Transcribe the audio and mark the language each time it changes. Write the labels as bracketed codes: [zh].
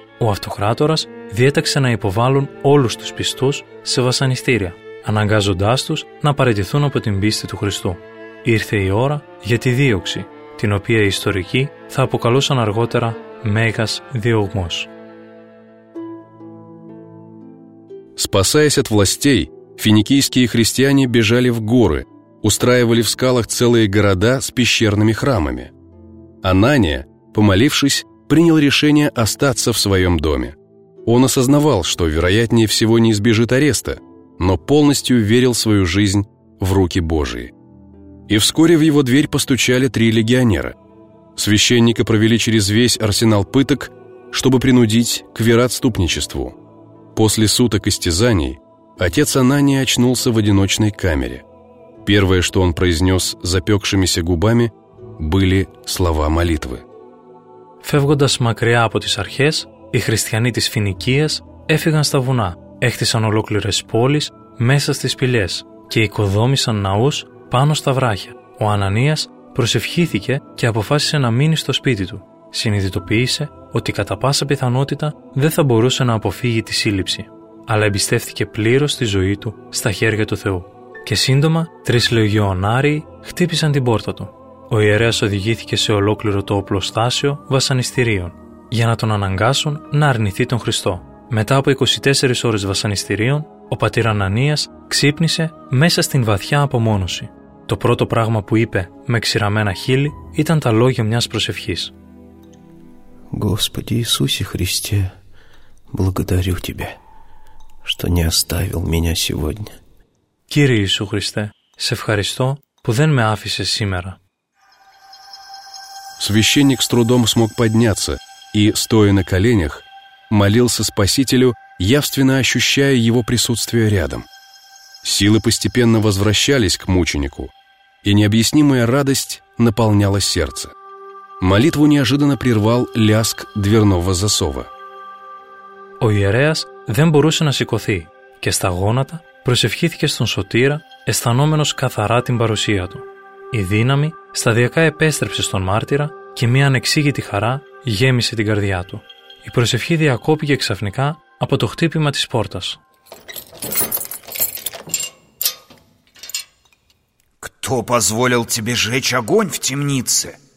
[el] Ο αυτοκράτορας διέταξε να υποβάλουν όλους τους πιστούς σε βασανιστήρια, αναγκάζοντάς τους να παραιτηθούν από την πίστη του Χριστού. Ήρθε η ώρα για τη δίωξη, την οποία οι ιστορικοί θα αποκαλούσαν αργότερα «Μέγας Διωγμός». [ru] Спасаясь от властей, финикийские христиане бежали в горы, устраивали в скалах целые города с пещерными храмами. Анания, помолившись, принял решение остаться в своем доме. Он осознавал, что, вероятнее всего, не избежит ареста, но полностью верил свою жизнь в руки Божии. И вскоре в его дверь постучали три легионера. Священника провели через весь арсенал пыток, чтобы принудить к вероотступничеству. После суток истязаний отец Анания очнулся в одиночной камере. Первое, что он произнес запекшимися губами, были слова молитвы. [el] «Фεύγοντας μακριά από τις αρχές, οι χριστιανοί της Φινικίας έφυγαν στα βουνά, έχτισαν ολόκληρες πόλεις μέσα στις πηλιές και οικοδόμησαν ναούς πάνω στα βράχια. Ο Ανανίας προσευχήθηκε και αποφάσισε να μείνει στο σπίτι του. Συνειδητοποίησε ότι κατά πάσα πιθανότητα δεν θα μπορούσε να αποφύγει τη σύλληψη, αλλά εμπιστεύθηκε πλήρως τη ζωή του στα χέρια του Θεού. Και σύντομα, τρεις λεγιονάριοι χτύπησαν την πόρτα του. Ο ιερέας οδηγήθηκε σε ολόκληρο το οπλοστάσιο βασανιστήριων για να τον αναγκάσουν να αρνηθεί τον Χριστό. Μετά από 24 ώρες βασανιστήριων, ο πατήρ Ανανίας ξύπνησε μέσα στην βαθιά απομόνωση. Το πρώτο πράγμα που είπε με ξηραμένα χείλη ήταν τα λόγια μιας προσευχής. [ru] «Господи Иисусе Христе, благодарю Тебя, что не оставил меня сегодня». [el] «Κύριε Ιησού Χριστέ, σε ευχαριστώ που δεν με άφησες σήμερα». [ru] Священник с трудом смог подняться и, стоя на коленях, молился Спасителю, явственно ощущая его присутствие рядом. Силы постепенно возвращались к мученику, и необъяснимая радость наполняла сердце. Молитву неожиданно прервал лязг дверного засова. [el] «О иереас δεν μπορούσε να σηκωθεί και στα γόνατα προσευχήθηκε στον Σωτήρα, αισθανόμενος καθαρά την παρουσία του. Η δύναμη σταδιακά επέστρεψε στον μάρτυρα και μια ανεξήγητη χαρά γέμισε την καρδιά του. Η προσευχή διακόπηκε ξαφνικά από το χτύπημα της πόρτας». [ru] «Кто позволил тебе жечь огонь в темнице?»